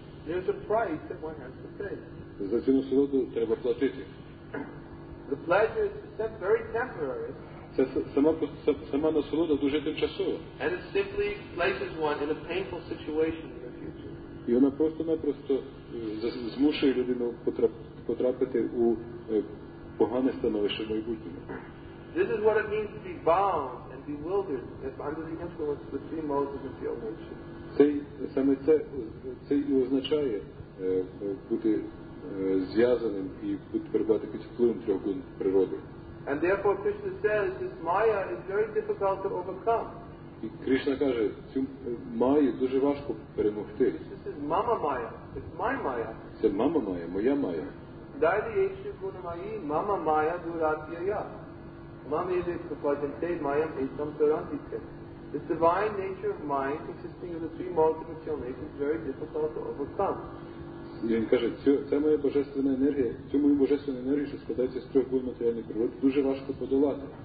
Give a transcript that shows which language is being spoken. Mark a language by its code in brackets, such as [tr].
[en] There's a price that one has to pay. [uk] За цю насолоду треба платити. [en] The pleasure is set very temporary. [uk] Це сама насолода дуже тимчасова. [en] And it simply places one in a painful situation in the future. [uk] І вона просто-напросто змушує людину потрапити у погане становище в майбутньому. [en] This is what it means to be bound and bewildered under the influence of the three modes of material nature. [uk] Це і означає бути зв'язаним і перебувати під впливом трьох гун природи. [en] And therefore Krishna says this Maya is very difficult to overcome. [uk] І Кришна каже, цю Майю дуже важко перемогти. [en] This is Mama Maya. It's my Maya. [uk] Це Мама Майя, моя Майя. Дайдієшу гуна Майі, Мама Майя дурат'яя. Мама є дефіцитна, Майя є самсарантіка. [en] This divine nature of mind consisting of the three modes of material nature is very difficult to overcome. [uk] І він каже, ця моя божественна енергія, цю мою божественну енергію, що складається з трьох гун матеріальних природ, дуже важко подолати.